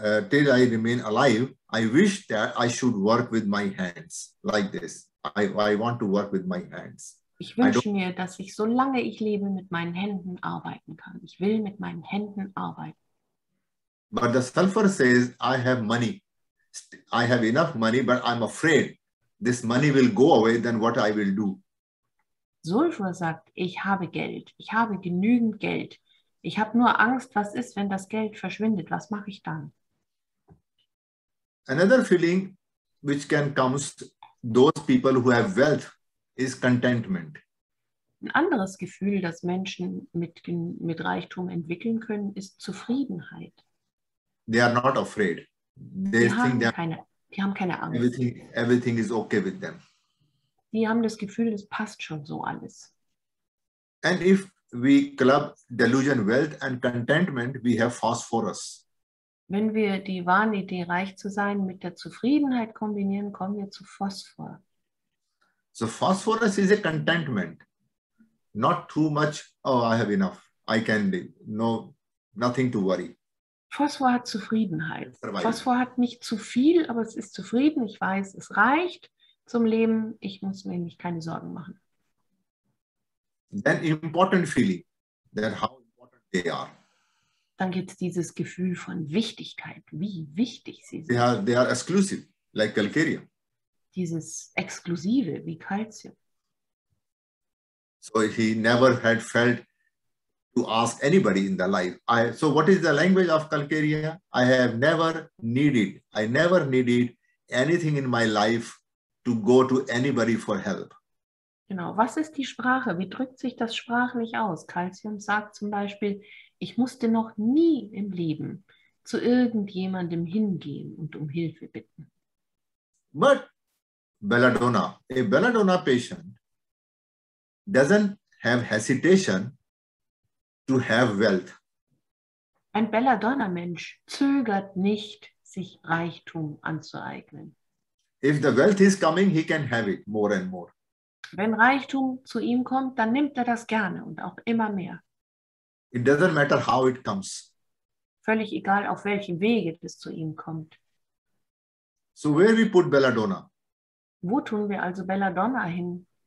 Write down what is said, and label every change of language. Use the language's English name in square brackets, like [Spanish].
[English] Till I remain alive, I wish that I should work with my hands like this. I want to work with my hands. [German] Ich wünsche mir, dass ich solange ich lebe mit meinen Händen arbeiten kann. Ich will mit meinen Händen arbeiten. [English] But the sulfur says, I have money. I have enough money, but I'm afraid this money will go away, then what I will do? [German] Sulfur sagt, ich habe Geld. Ich habe genügend Geld. Ich habe nur Angst, was ist, wenn das Geld verschwindet? Was mache ich dann? [English] Another feeling which can come to those people who have wealth is contentment. [German] Ein anderes Gefühl, das Menschen mit Reichtum entwickeln können, ist Zufriedenheit. [English] They are not afraid. [German] Die haben keine Angst. [English] Everything is okay with them. [German] Die haben das Gefühl, es passt schon so alles. [English] And if we club delusion, wealth and contentment, we have phosphorus. [German] Wenn wir die Wahnidee, reich zu sein, mit der Zufriedenheit kombinieren, kommen wir zu Phosphor. [English] So phosphorus is a contentment. Not too much, oh, I have enough. I can live. No, nothing to worry. [German] Phosphor hat Zufriedenheit. Phosphor hat nicht zu viel, aber es ist zufrieden. Ich weiß, es reicht zum Leben. Ich muss mir nämlich keine Sorgen machen. [English] Then important feeling, that how important they are. [German] Dann gibt es dieses Gefühl von Wichtigkeit, wie wichtig sie sind. [English] They are exclusive, like calcarea. [German] Dieses Exklusive, wie Calcium. [English] So he never had felt to ask anybody in the life. So what is the language of calcarea? I never needed anything in my life to go to anybody for help. [German] Genau, was ist die Sprache? Wie drückt sich das sprachlich aus? Calcium sagt zum Beispiel, ich musste noch nie im Leben zu irgendjemandem hingehen und um Hilfe bitten. [English] But Belladonna, a Belladonna patient doesn't have hesitation to have wealth. [German] Ein Belladonna-Mensch zögert nicht, sich Reichtum anzueignen. [English] If the wealth is coming, he can have it more and more. [German] Wenn Reichtum zu ihm kommt, dann nimmt das gerne und auch immer mehr. [English] It doesn't matter how it comes. [German] Völlig egal, auf welchem Wege es zu ihm kommt. [English] So where we put Belladonna? [German] Wo tun wir also Belladonna hin?